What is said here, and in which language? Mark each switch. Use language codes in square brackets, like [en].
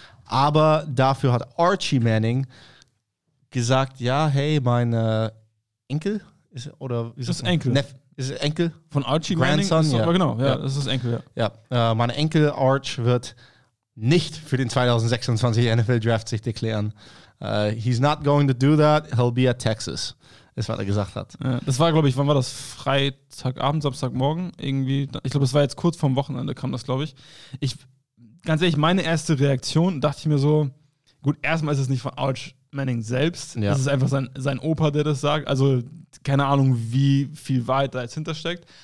[de] Aber dafür hat Archie Manning gesagt, ja, hey, mein Enkel? Ist es Enkel? Von Archie [en] Grandson, [de] Manning? [en] Grandson, ja. [de] Genau, ja, das ist Enkel, ja. Ja, mein Enkel Arch wird nicht für den 2026 NFL Draft sich deklären. [en] He's not going to do that, he'll be at Texas, [de] ist, was er gesagt hat. Ja, das war, glaube ich, wann war das? Freitagabend, Samstagmorgen irgendwie. Ich glaube, es war jetzt kurz vorm Wochenende kam das, glaube ich. Ich, ganz ehrlich, meine erste Reaktion, dachte ich mir so, gut, erstmal ist es nicht von Arch Manning selbst. Ja. Das ist einfach sein Opa, der das sagt. Also keine Ahnung, wie viel Wahrheit da jetzt hintersteckt.